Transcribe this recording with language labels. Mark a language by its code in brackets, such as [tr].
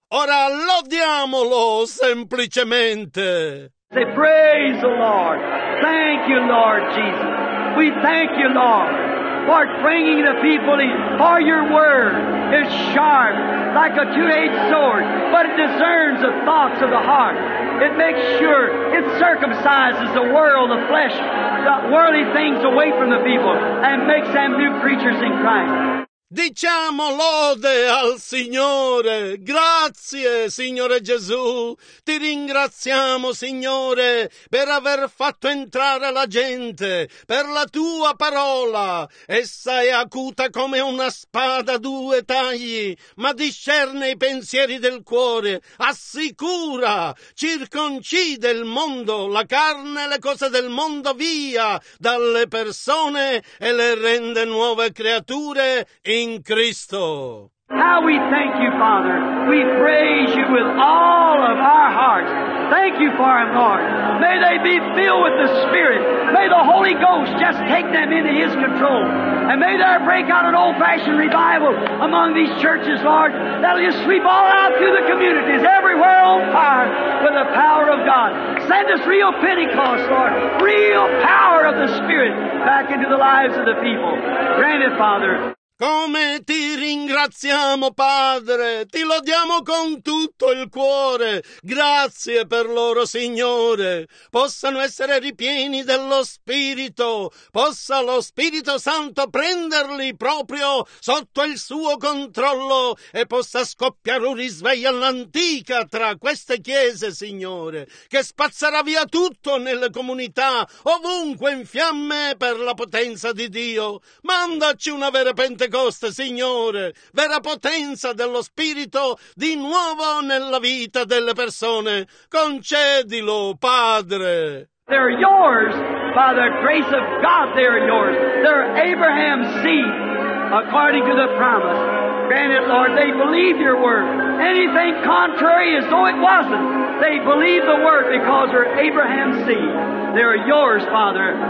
[it] Ora lodiamolo semplicemente. [en] Say praise the Lord. Thank you, Lord Jesus. We thank you, Lord, for bringing the people in. For your word is sharp like a two-edged sword, but it discerns the thoughts of the heart. It makes sure, it circumcises the world, the flesh, the worldly things away from the people, and makes them new creatures in Christ. [it] Diciamo lode al Signore, grazie Signore Gesù, ti ringraziamo Signore per aver fatto entrare la gente, per la tua parola, essa è acuta come una spada a due tagli, ma discerne i pensieri del cuore, assicura, circoncide il mondo, la carne e le cose del mondo via dalle persone e le rende nuove creature in Cristo. [en] How we thank you, Father. We praise you with all of our hearts. Thank you for them, Lord. May they be filled with the Spirit. May the Holy Ghost just take them into His control. And may there break out an old-fashioned revival among these churches, Lord, that'll just sweep all out through the communities, everywhere on fire with the power of God. Send us real Pentecost, Lord, real power of the Spirit back into the lives of the people. Grant it, Father. [it] Come ti ringraziamo, Padre, ti lodiamo con tutto il cuore. Grazie per loro, Signore. Possano essere ripieni dello Spirito. Possa lo Spirito Santo prenderli proprio sotto il suo controllo e possa scoppiare un risveglio all'antica tra queste chiese, Signore, che spazzerà via tutto nelle comunità, ovunque in fiamme per la potenza di Dio. Mandaci una vera Pentecoste. Costa, Signore, vera potenza dello Spirito di nuovo nella vita delle persone. Concedilo, Padre. [en] They're yours by the grace of God. They're yours. They're Abraham's seed according to the promise. Grant it, Lord. They believe your word. Anything contrary as though it wasn't. They believe the word because they're Abraham's seed. They're yours, Father.